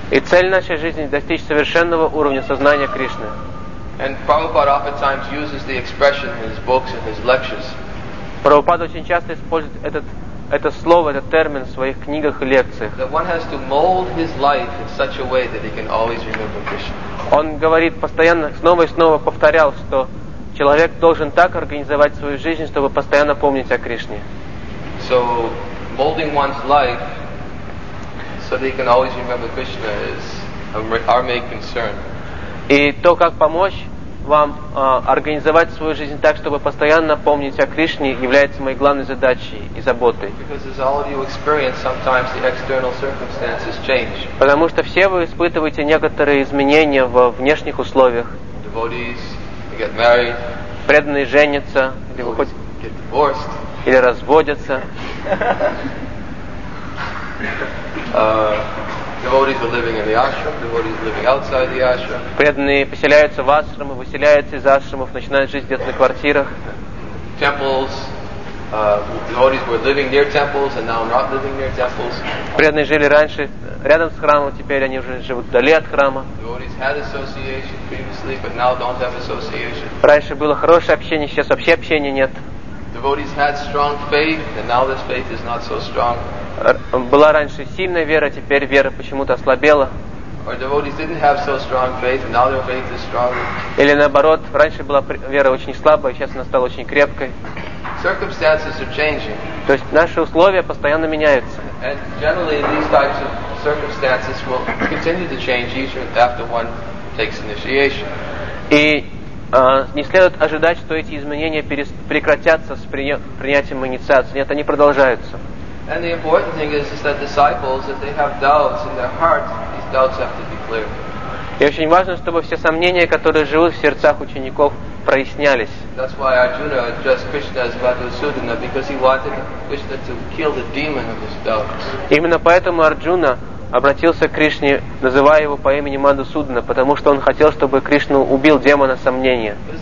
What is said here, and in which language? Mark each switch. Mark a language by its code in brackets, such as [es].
[ru] И цель нашей жизни — достичь совершенного уровня сознания Кришны. [en] And Prabhupada oftentimes uses the expression in his books and his lectures. [ru] Прабхупада очень часто использует это слово, этот термин в своих книгах и лекциях. [en] That one has to mold his life in such a way that he can always remember Krishna. [ru] Он говорит постоянно, снова и снова повторял, что человек должен так организовать свою жизнь, чтобы постоянно помнить о Кришне. [en] So molding one's life so they can always remember Krishna is our main concern. [ru] И то, как помочь вам организовать свою жизнь так, чтобы постоянно помнить о Кришне, является моей главной задачей и заботой. [en] Because as all of you experience, sometimes the external circumstances change. [ru] Потому что все вы испытываете некоторые изменения во внешних условиях. [en] Devotees get married. [ru] Преданные женятся. [en] Get divorced. [ru] Или разводятся. [en] Devotees are living in the ashram. Devotees are living outside the ashram. [ru] Преданные поселяются в ашрамы, выселяются из ашрамов, начинают жить где-то на квартирах. [en] Temples. Devotees were living near temples and now not living near temples. [ru] Преданные жили раньше рядом с храмом, теперь они уже живут вдали от храма. [en] Devotees had association previously, but now don't have association. [ru] Раньше было хорошее общение, сейчас вообще общения нет. [en] Devotees had strong faith, and now this faith is not so strong. [ru] Была раньше сильная вера, теперь вера почему-то ослабела. [en] Or devotees didn't have so strong faith, and now their faith is stronger. [ru] Или наоборот, раньше была вера очень слабая, сейчас она стала очень крепкой. [en] Circumstances are changing. [ru] То есть наши условия постоянно меняются. [en] And generally these types of circumstances will continue to change each after one takes initiation. [ru] И не следует ожидать, что эти изменения прекратятся с принятием инициации. Нет, они продолжаются. [en] And the important thing is that disciples, if they have doubts in their hearts, these doubts have to be cleared. [ru] И очень важно, чтобы все сомнения, которые живут в сердцах учеников, прояснялись. [en] That's why Arjuna addressed Krishna as Madhusudana, because he wanted Krishna to kill the demon of his doubts. [ru] Именно поэтому Арджуна обратился к Кришне, называя его по имени Мадхусудана, потому что он хотел, чтобы Кришна убил демона сомнения.